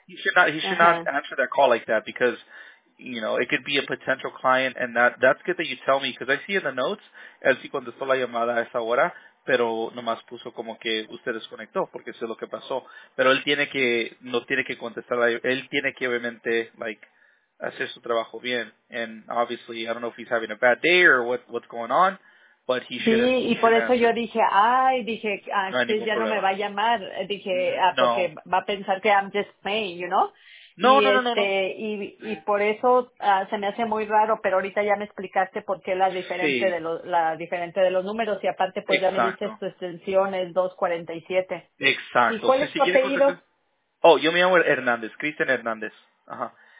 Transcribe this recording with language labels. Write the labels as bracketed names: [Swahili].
[English] He should not answer that call like that because, you know, it could be a potential client, and that's good that you tell me because I see in the notes, [Spanish] él sí contestó la llamada a esa hora, pero nomás puso como que usted desconectó porque eso es lo que pasó. Pero él no tiene que contestar, él tiene que obviamente, like, hacer su trabajo bien, [English] and obviously I don't know if he's having a bad day or what's going on, but he should. [Spanish] Sí, y por eso yo dije, ay, dije, no, Chris ya problema. No me va a llamar, dije, no. Porque va a pensar que [English] I'm just playing, you know. [Spanish] No. Y por eso se me hace muy raro, pero ahorita ya me explicaste por qué la diferente de los números, y aparte pues exacto. Ya me dices tu extensión es 247. Exacto. ¿Y cuál es tu apellido? Contestar? [English] Oh, [Spanish] yo me llamo Hernández, Cristian Hernández, ajá.